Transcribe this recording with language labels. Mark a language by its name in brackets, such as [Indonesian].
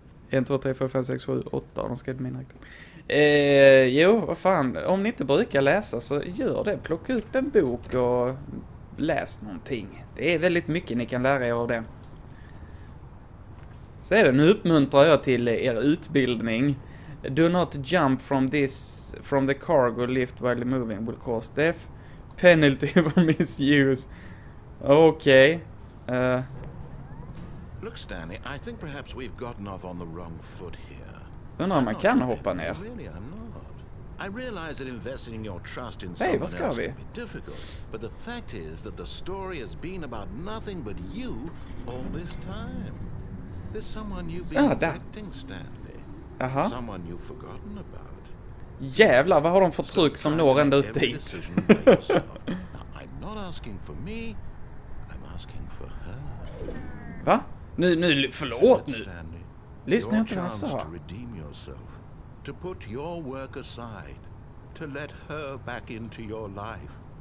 [Swedish] 1, 2, 3, 4, 5, 6, 7, 8. De skrev min räkning. Jo, vad fan. Om ni inte brukar läsa så gör det. Plocka upp en bok och läs någonting. Det är väldigt mycket ni kan lära er av det. Så är det, nu uppmuntrar jag till er utbildning. [English] Do not jump from this from the cargo lift while moving will cause death. Penalty for misuse. Okej. Look, Stanley, I think perhaps we've gotten off on the wrong foot here. [Swedish] Undrar om man kan hoppa ner. [English] I realize that investing your trust in someone else can be difficult, but the fact is that the story has been about nothing but you all this time. There's someone you've been acting, Stanley. Uh-huh. Someone you've forgotten about. [Swedish] Jävlar, vad har de för tryck som når ända upp dit? [English] I'm not asking for me, I'm asking for her. [Swedish] Va? Nu, förlåt nu. Lyssna inte vad han sa. [English] To redeem yourself, to put your work aside, to let her back into your life.